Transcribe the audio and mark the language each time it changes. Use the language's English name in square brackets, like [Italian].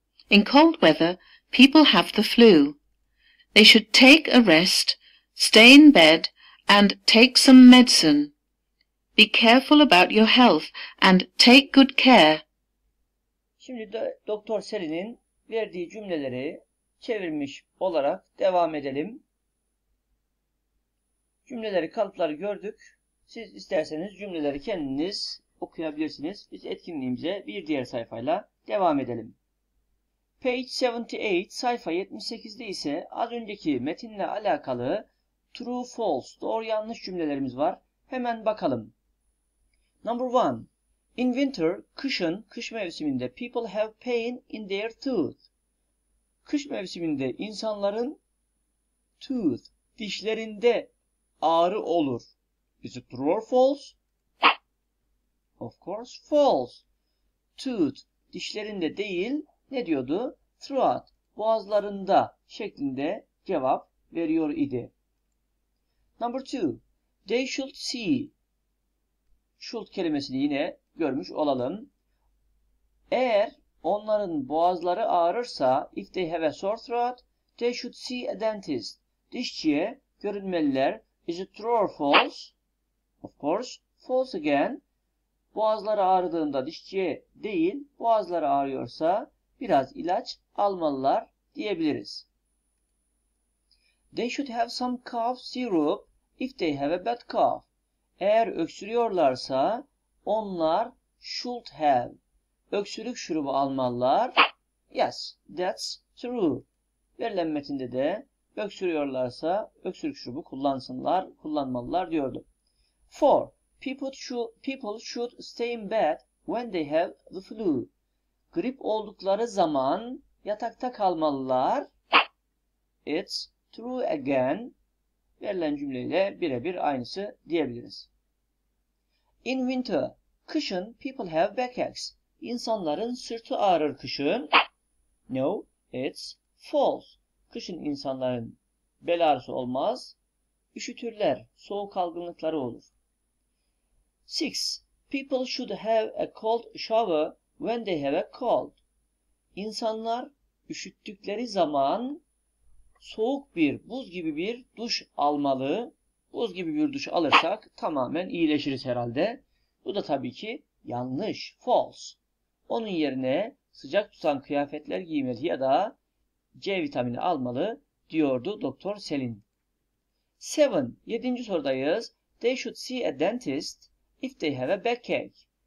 [English] In cold weather, people have the flu. They should take a rest, stay in bed, and take some medicine. Be careful about your health and take good care. [Turkish] Şimdi Doktor Seri'nin verdiği cümleleri çevirmiş olarak devam edelim. Cümleleri, kalıpları gördük. Siz isterseniz cümleleri kendiniz okuyabilirsiniz. Biz etkinliğimize bir diğer sayfayla devam edelim. [English] Page 78, [Turkish] sayfa 78'de ise az önceki metinle alakalı true false, doğru yanlış cümlelerimiz var. Hemen bakalım. [English] Number 1. In winter, [Turkish] kışın, kış mevsiminde [English] people have pain in their tooth. [Turkish] Kış mevsiminde insanların tooth, dişlerinde ağrı olur. [English] Is it true or false? Of course false. [Turkish] Tooth, dişlerinde değil, ne diyordu? Throat, boğazlarında şeklinde cevap veriyor idi. [English] Number 2. They should see. [Turkish] Should kelimesini yine görmüş olalım. Eğer onların boğazları ağrırsa, [English] if they have a sore throat, they should see a dentist. [Turkish] Dişçiye görünmeliler. [English] Is it true or false? Of course, false again. [Turkish] Boğazları ağrıdığında dişçiye değil, boğazları ağrıyorsa biraz ilaç almalılar diyebiliriz. [English] They should have some cough syrup if they have a bad cough. [Turkish] Eğer öksürüyorlarsa onlar should have öksürük şurubu almalılar. [English] Yes, that's true. [Turkish] Verilen metinde de öksürüyorlarsa öksürük şurubu kullansınlar, kullanmalılar diyordu. 4. [English] People should stay in bed when they have the flu. [Turkish] Grip oldukları zaman yatakta kalmalılar. [English] It's true again. [Turkish] Verilen cümleyle birebir aynısı diyebiliriz. [English] In winter, kışın people have backaches. [Turkish] İnsanların sırtı ağrır kışın. [English] No, it's false. [Turkish] Kışın insanların bel ağrısı olmaz. Üşütürler, soğuk algınlıkları olur. 6. [English] People should have a cold shower when they have a cold. [Turkish] İnsanlar üşüttükleri zaman soğuk bir, buz gibi bir duş almalı. Buz gibi bir duş alırsak tamamen iyileşiriz herhalde. Bu da tabii ki yanlış, false. Onun yerine sıcak tutan kıyafetler giymeli ya da C vitamini almalı diyordu Doktor Selin. 7. 7. sorudayız. [English] They should see a dentist if they have a backache.